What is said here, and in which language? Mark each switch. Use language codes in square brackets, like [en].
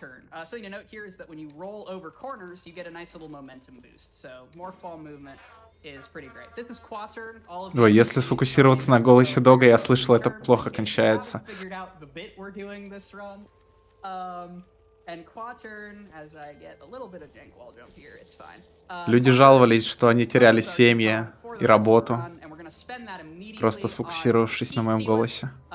[en] Something to note here is that when you roll over corners, you get a nice little momentum boost. So morphball movement is pretty great. This is Quatern. All of. [ru] Ой, если сфокусироваться на голосе дога, я слышал, это плохо кончается. [en] Figured out the bit we're doing this run. And Quatern, as I get a little bit of jank wall jump here, it's fine. [ru] Люди жаловались, что они теряли семьи и работу, просто сфокусировавшись на моем голосе.